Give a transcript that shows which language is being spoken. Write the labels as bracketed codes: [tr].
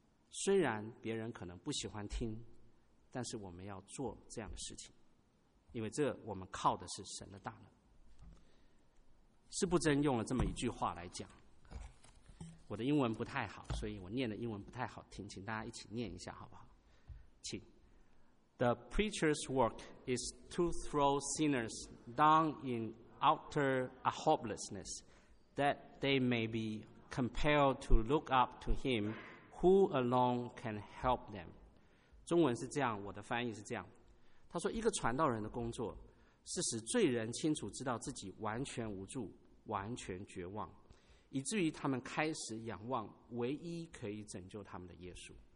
[zh] 虽然别人可能不喜欢听，但是我们要做这样的事情，因为这我们靠的是神的大能。士布真用了这么一句话来讲，我的英文不太好，所以我念的英文不太好听，请大家一起念一下好不好？请。 [en] The preacher's work is to throw sinners down in utter hopelessness, that they may be compelled to look up to him who alone can help them. [zh] 中文是这样，我的翻译是这样。他说，一个传道人的工作是使罪人清楚知道自己完全无助，完全绝望，以至于他们开始仰望唯一可以拯救他们的耶稣。